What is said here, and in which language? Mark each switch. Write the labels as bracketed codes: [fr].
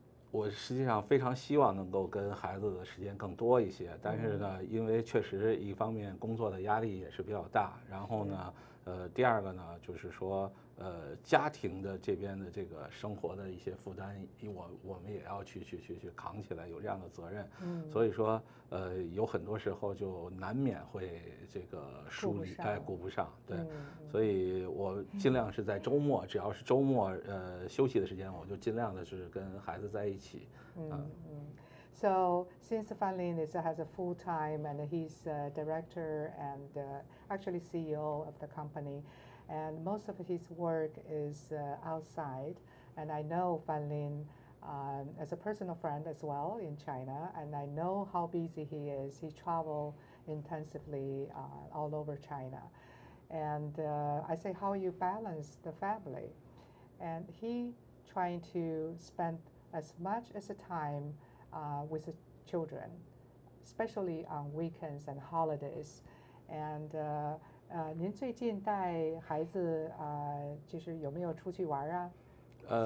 [zh] 我实际上非常希望能够跟孩子的时间更多一些，但是呢，因为确实一方面工作的压力也是比较大，然后呢，第二个呢，就是说，家庭的这边的这个生活的一些负担，我们也要去扛起来，有这样的责任，嗯，所以说，有很多时候就难免会这个疏离，哎，顾不上，对，嗯，所以我尽量是在周末，嗯，只要是周末，休息的时间，我就尽量的是跟孩子在一起， [en] So since Fan Lin has a full time and he's a director and actually CEO of the company, and most of his work is outside, and I know Fan Lin as a personal friend as well in China, and I know how busy he is. He travels intensively all over China. And I say, how you balance the family? And he trying to spend as much as the time with the children, especially on weekends and holidays. [zh] And 您最近带孩子就是有没有出去玩啊？